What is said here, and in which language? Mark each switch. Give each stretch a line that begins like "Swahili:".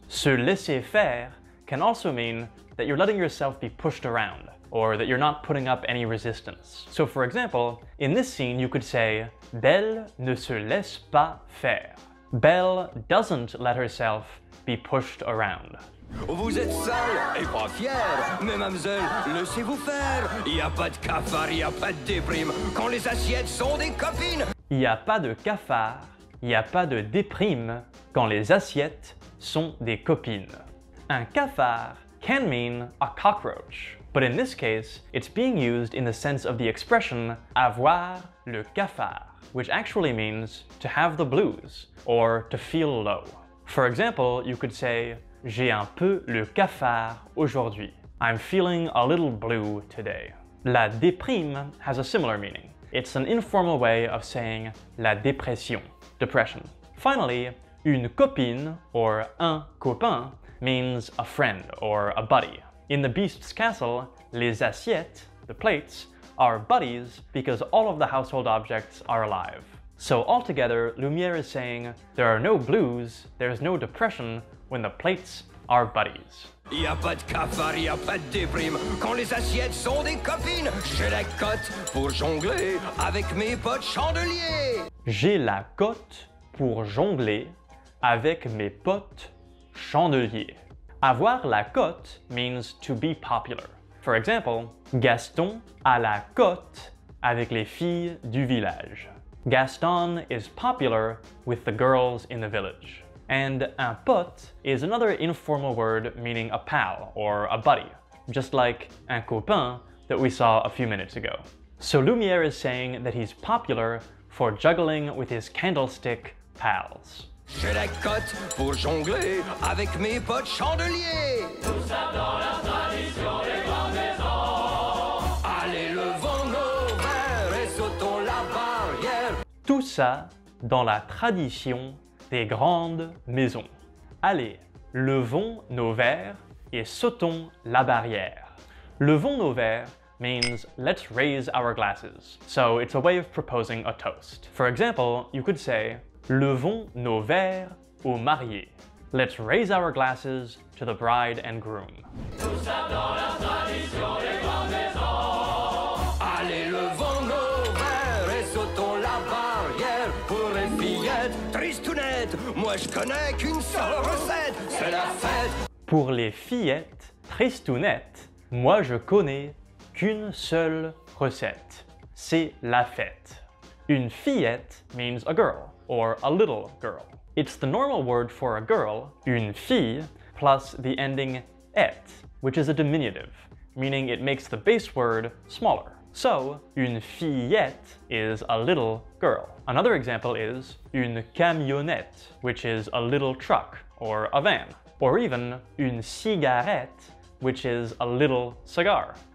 English: Se laisser faire can also mean that you're letting yourself be pushed around, or that you're not putting up any resistance. So for example, in this scene you could say,
French: Belle ne se laisse pas faire.
English: Belle doesn't let herself be pushed around.
French: Vous êtes seul et pas fier, mais mademoiselle, laissez-vous faire. Il y a pas de cafard, il y a pas de déprime, quand les assiettes sont des copines. Il y a pas de cafard, il y a pas de déprime, quand les assiettes sont des copines.
English: Un cafard can mean a cockroach, but in this case, it's being used in the sense of the expression avoir le cafard, which actually means to have the blues or to feel low. For example, you could say,
French: j'ai un peu le cafard aujourd'hui.
English: I'm feeling a little blue today. La déprime has a similar meaning, It's an informal way of saying la dépression, depression. Finally, une copine or un copain means a friend or a buddy. In the Beast's castle, les assiettes, the plates, are buddies because all of the household objects are alive. So altogether, Lumière is saying there are no blues, there's no depression when the plates are buddies.
French: Y'a pas de cafard, y'a pas de déprime. Quand les assiettes sont des copines, j'ai la cote pour jongler avec mes potes chandeliers. J'ai la cote pour jongler avec mes potes chandeliers.
English: Avoir la cote means to be popular. For example,
French: Gaston a la cote avec les filles du village.
English: Gaston is popular with the girls in the village. And un pote is another informal word meaning a pal or a buddy, just like un copain that we saw a few minutes ago. So Lumière is saying that he's popular for juggling with his candlestick pals.
French: J'ai la cote pour jongler avec mes potes chandeliers. Tout ça dans la tradition des grandes maisons. Allez, levons nos verres et sautons la barrière. Tout ça dans la tradition des grandes maisons. Allez, levons nos verres et sautons la barrière.
English: Levons nos verres means let's raise our glasses. So it's a way of proposing a toast. For example, you could say,
French: levons nos verres aux mariés.
English: Let's raise our glasses to the bride and groom.
French: Tout ça dans la tradition des grandes maisons. Allez, levons nos verres et sautons la barrière pour les fillettes tristounettes. Moi, je connais qu'une seule recette, c'est la fête. Pour les fillettes tristounettes, moi, je connais qu'une seule recette, c'est la fête.
English: Une fillette means a girl, or a little girl. It's the normal word for a girl, une fille, plus the ending ette, which is a diminutive, meaning it makes the base word smaller. So, une fillette is a little girl. Another example is une camionnette, which is a little truck or a van, or even une cigarette, which is a little cigar.